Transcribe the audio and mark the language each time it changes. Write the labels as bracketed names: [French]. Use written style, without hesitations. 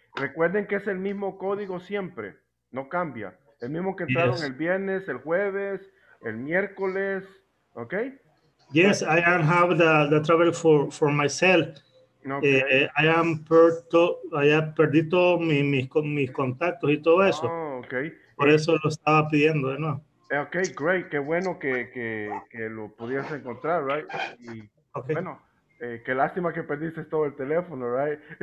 [Spanish] Recuerden que es el mismo código siempre, no cambia. El mismo que entraron el viernes, el jueves, el miércoles, ¿ok? [English] Yes, I am have the trouble for myself. Okay. I am [Spanish] perdido mis contactos y todo eso. [English] Oh, okay. [Spanish] Por eso lo estaba pidiendo de nuevo. [English] Okay, great. [Spanish] Qué bueno que lo pudieras encontrar, right? Y [English] Okay. [Spanish] bueno, qué lástima que perdiste todo el teléfono, right?